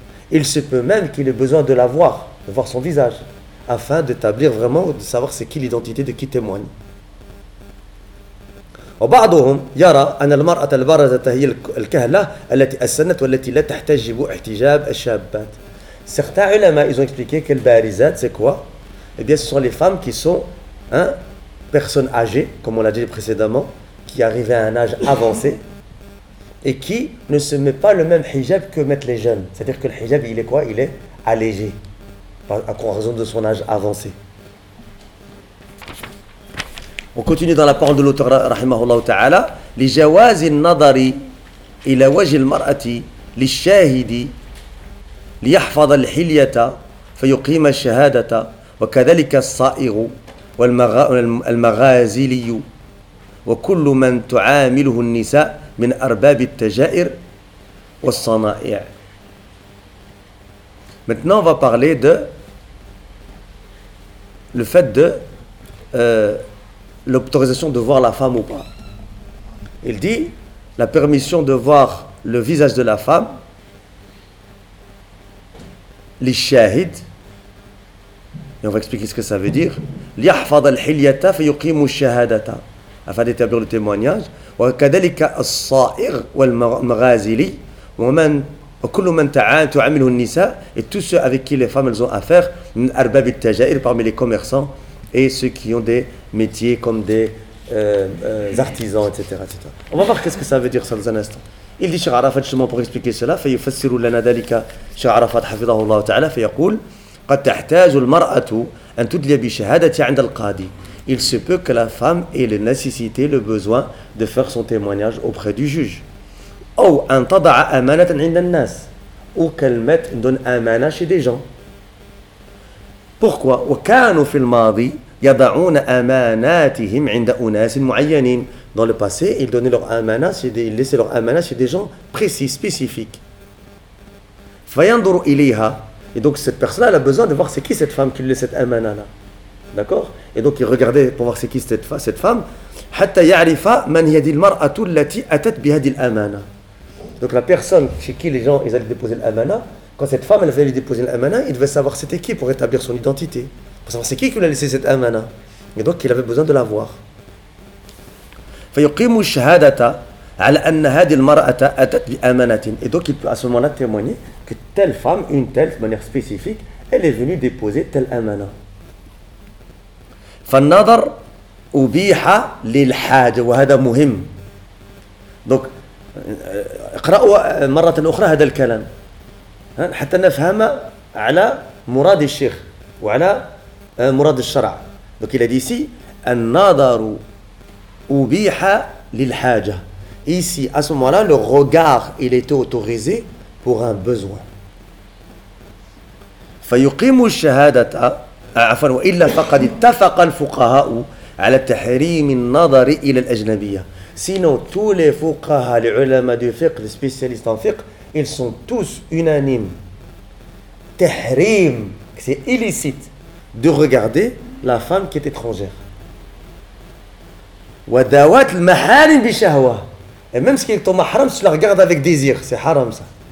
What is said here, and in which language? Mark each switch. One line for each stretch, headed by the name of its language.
French: Il se peut même qu'il ait besoin de la voir, de voir son visage, afin d'établir vraiment, de savoir c'est qui l'identité de qui témoigne.
Arabic: وبعضهم يرى أن المرأة البارزة هي الكهلة التي أسنت والتي لا تحتجب احتجاب الشابات.
French: Certains ulama, ils ont expliqué que le barizat, c'est quoi ? Eh bien, ce sont les femmes qui sont hein, personnes âgées, comme on l'a dit précédemment, qui arrivent à un âge avancé et qui ne se mettent pas le même hijab que mettent les jeunes. C'est-à-dire que le hijab, il est quoi ? Il est allégé, à raison de son âge avancé. On continue dans la parole de l'auteur, rahimahullah ta'ala. Les
Arabic: jawazi nadari, إلى وجه المرأة للشاهد ليحفظ الحلية فيقيم الشهادة وكذلك الصائغ والمغازلي وكل من تعامله النساء من أرباب التجائر والصنائع.
French: Maintenant on va parler de le fait de l'autorisation de voir la femme ou pas. Il dit la permission de voir le visage de la femme les shahid, et on va expliquer ce que ça veut dire,
Arabic: liahfad al-hilyata fayuqimu shahadata,
French: afin d'établir le témoignage,
Arabic: wa kadalika as-sa'ir wal-maghazili waman وكل من تعامله النساء
French: et tous ceux avec qui les femmes elles ont affaire
Arabic: من أرباب التجائر
French: parmi les commerçants et ceux qui ont des métiers comme des artisans etc., etc. On va voir qu'est-ce que ça veut dire ça dans un instant. Il dit Cheikh Arafat justement pour expliquer cela
Arabic: فيفسر لنا ذلك Cheikh Arafat حفظه الله تعالى فيقول قد تحتاج المرأة أن تدلي بشهادة عند القاضي.
French: Il se peut que la femme ait la nécessité, le besoin de faire son témoignage auprès du juge.
Arabic: أو أن تضع أمانة عند الناس أو كلمة دون أمانة
French: chez des gens. Pourquoi?
Arabic: وكانوا في الماضي يضعون أماناتهم عند أناس معينين.
French: Dans le passé, ils donnaient leur amana, ils laissaient leur amana chez des gens précis, spécifiques.
Arabic: فينظر إليها.
French: Et donc cette personne-là elle a besoin de voir c'est qui cette femme qui lui laisse cette amana-là. D'accord? Et donc il regardait pour voir c'est qui cette femme.
Arabic: حتى يعرف من هي ذي المرأة التي أتت بهذه الأمانة.
French: Donc la personne chez qui les gens ils allaient déposer l'amana, quand cette femme elle allait lui déposer l'amana, il devait savoir c'était qui pour établir son identité. Pour savoir c'est qui lui a laissé cette amana. Et donc il avait besoin de la voir. Et donc il peut à ce moment-là témoigner que telle femme, une telle, de manière spécifique, elle est venue déposer telle amana.
Arabic: فالنظر أبيح للحاجة وهذا مهم. Donc اقرأوا مرة أخرى هذا الكلام حتى نفهم على مراد الشيخ وعلى مراد الشرع.
French: Donc il a dit ici
Arabic: النظر أبيح للحاجة.
French: Ici à ce moment-là le regard il était autorisé pour un besoin.
Arabic: فيقيم الشهادة عفوا وإلا فقد اتفق الفقهاء على تحريم النظر إلى الأجنبية.
French: Sinon, tous les fuqaha, les ulama du fiqh, les spécialistes en fiqh, ils sont tous unanimes. Tahrim, c'est illicite de regarder la femme qui est étrangère.
Arabic: Wadawat al-mahalim bishahwa.
French: Et même ce qui est ton mahram, tu la regardes avec désir. C'est haram ça.